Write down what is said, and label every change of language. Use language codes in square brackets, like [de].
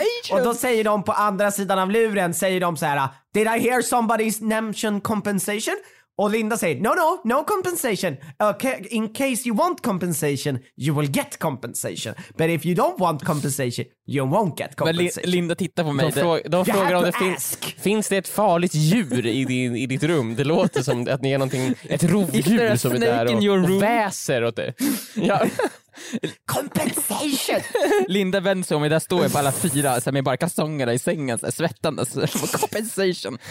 [sv] Och då säger de på andra sidan av luren, säger de så här: [en] did I hear somebody's mention compensation? [sv] Och Linda säger, [en] no compensation. Okay, in case you want compensation, you will get compensation. But if you don't want compensation, you won't get compensation. [sv] Men Linda tittar på mig. De frågar om det finns det ett farligt djur i ditt rum? Det låter som att ni är någonting, ett rovdjur som är där och väser åt det. Ja. [en] Compensation. [sv] Linda vänder sig om, där står jag på alla fyra så med bara kalsongerna i sängen så svettandes. Compensation.